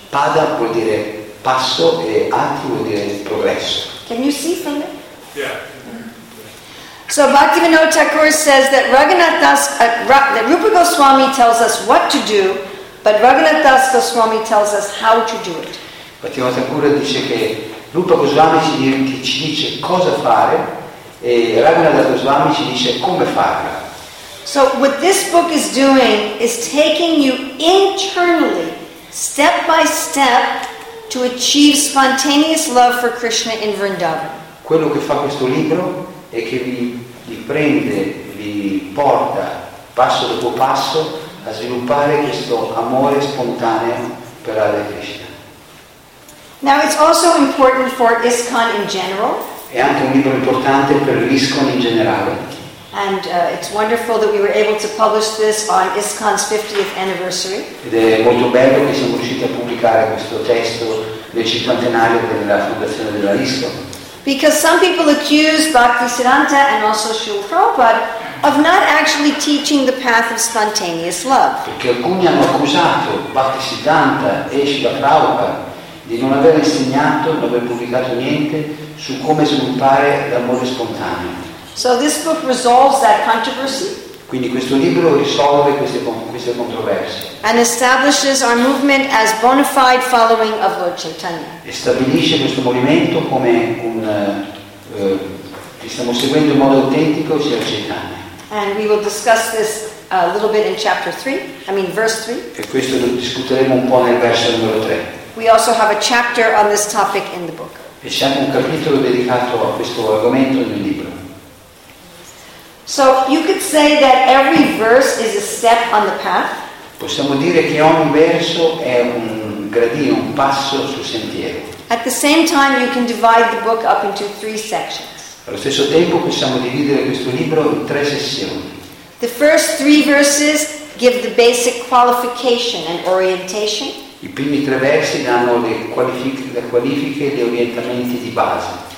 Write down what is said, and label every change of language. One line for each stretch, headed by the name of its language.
Italian: Pada vuol dire passo e hati vuol dire progresso.
English: Can you see from it? Yeah. So Bhaktivinoda Thakur says that that Rupa Goswami tells us what to do, but Raghunath Das Goswami tells us how to do it.
Italian: Bhaktivinoda Thakur dice che Rupa Goswami ci dice cosa fare e Raghunath Goswami ci dice come farla.
English: So what this book is doing is taking you internally, step by step, to achieve spontaneous love for Krishna in Vrindavan.
Italian: Quello che fa questo libro è che vi prende, vi porta passo dopo passo a sviluppare questo amore spontaneo per Hare Krishna.
English: Now it's also important for ISKCON in general.
Italian: È anche un libro importante per l'ISKCON in generale.
English: And it's wonderful that we were able to publish this on ISKCON's 50th anniversary.
Italian: Ed è molto bello che siamo riusciti a pubblicare questo testo del cinquantenario della fondazione della ISKCON.
English: Because some people accuse Bhaktisiddhanta and also Srila Prabhupada of not actually teaching the path of spontaneous love.
Italian: Perché alcuni hanno accusato Bhaktisiddhanta e Srila Prabhupada di non aver insegnato, non aver pubblicato niente su come sviluppare l'amore spontaneo.
English: So this book resolves that controversy.
Italian: Quindi questo libro risolve queste controversie.
English: And establishes our movement as bona fide following of Lord Chaitanya.
Italian: E stabilisce questo movimento come un che stiamo seguendo in modo autentico sia Chaitanya.
English: And we will discuss this a little bit in chapter 3, I mean verse 3.
Italian: E questo lo discuteremo un po' nel verso numero 3.
English: We also have a chapter on this topic in the book.
Italian: E c'è anche un capitolo dedicato a questo argomento nel libro.
English: So you could say that every verse is a step on the path.
Italian: Possiamo dire che ogni verso è un gradino, un passo sul sentiero.
English: At the same time, you can divide the book up into three sections.
Italian: Allo stesso tempo possiamo dividere questo libro in tre sessioni.
English: The first three verses give the basic qualification and orientation.
Italian: I primi tre versi danno le qualifiche e gli orientamenti di base.